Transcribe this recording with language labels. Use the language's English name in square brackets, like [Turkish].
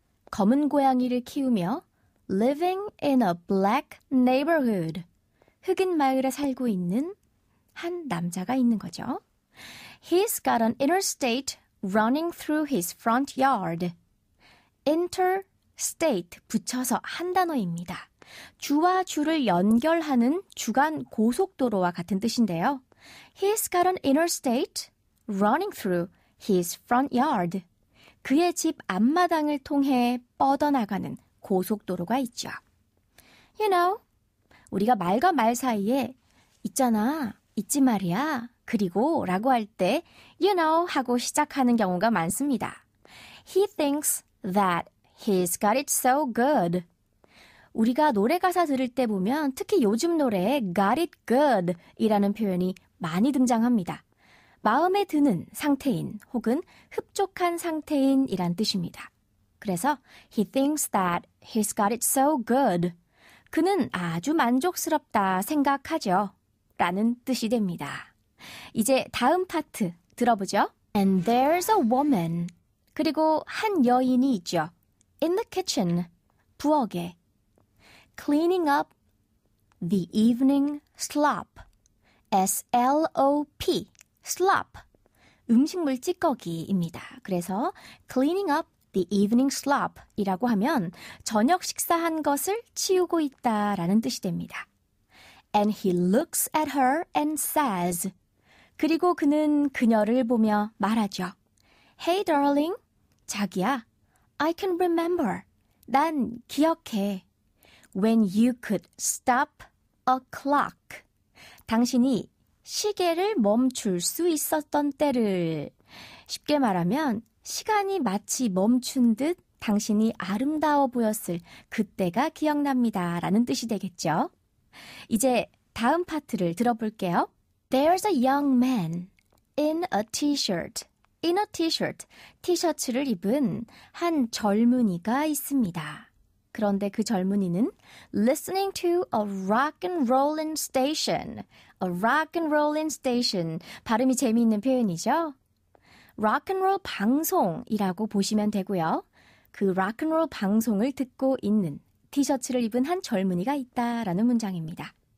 [Korean] 검은 고양이를 키우며 [English] living in a black neighborhood. [Korean] 흑인 마을에 살고 있는 한 남자가 있는 거죠. [English] He's got an interstate running through his front yard. [Korean] Interstate 붙여서 한 단어입니다. 주와 주를 연결하는 주간 고속도로와 같은 뜻인데요. [English] He's got an interstate running through his front yard. [Korean] 그의 집 앞마당을 통해 뻗어나가는 고속도로가 있죠. [English] You know, [Korean] 우리가 말과 말 사이에 있잖아, 있지 말이야. 그리고 라고 할 때 [English] you know [Korean] 하고 시작하는 경우가 많습니다. [English] He thinks that he's got it so good. [Korean] 우리가 노래 가사 들을 때 보면 특히 요즘 노래에 [English] got it good [Korean] 이라는 표현이 많이 등장합니다. 마음에 드는 상태인 혹은 흡족한 상태인 이란 뜻입니다. [English] 그래서 he thinks that he's got it so good. [Korean] 그는 아주 만족스럽다 생각하죠. 라는 뜻이 됩니다. 이제 다음 파트 들어보죠. [English] And there's a woman. [Korean] 그리고 한 여인이 있죠. [English] In the kitchen. [Korean] 부엌에. [English] Cleaning up the evening slop. [Korean] S-L-O-P. slop. 음식물 찌꺼기입니다. 그래서 [English] cleaning up the evening slop [Korean] 이라고 하면 저녁 식사한 것을 치우고 있다라는 뜻이 됩니다. [English] And he looks at her and says. [Korean] 그리고 그는 그녀를 보며 말하죠. [English] Hey, darling. [Korean] 자기야. [English] I can remember. [Korean] 난 기억해. [English] When you could stop a clock. [Korean] 당신이 시계를 멈출 수 있었던 때를. 쉽게 말하면 시간이 마치 멈춘 듯 당신이 아름다워 보였을 그때가 기억납니다. 라는 뜻이 되겠죠. 이제 다음 파트를 들어볼게요. [English] There's a young man in a t-shirt. In a t-shirt. [Korean] 티셔츠를 입은 한 젊은이가 있습니다. 그런데 그 젊은이는 [English] listening to a rock and rollin' station. A rock and rollin' station. [Korean] 발음이 재미있는 표현이죠. Rock and roll 방송이라고 보시면 되고요. 그 rock and roll 방송을 듣고 있는 티셔츠를 입은 한 젊은이가 있다라는 문장입니다.